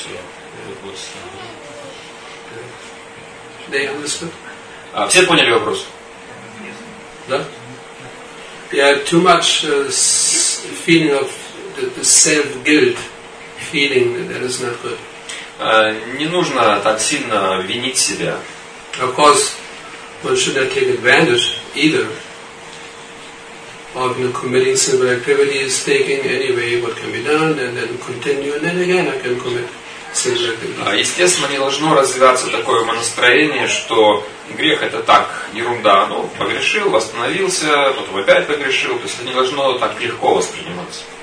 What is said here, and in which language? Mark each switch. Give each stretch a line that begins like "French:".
English: So it was.
Russian: Все поняли вопрос? Да?
English: Yeah, too much feeling of the self-guilt feeling, that is not good.
Russian: Не нужно так сильно винить себя.
English: Of course, one should not take advantage either of, you know, committing sinful activities, taking anyway what can be done, and then continue, and then again I can commit.
Russian: Естественно, не должно развиваться такое настроение, что грех — это так, ерунда. Ну, погрешил, восстановился, потом опять погрешил. То есть это не должно так легко восприниматься.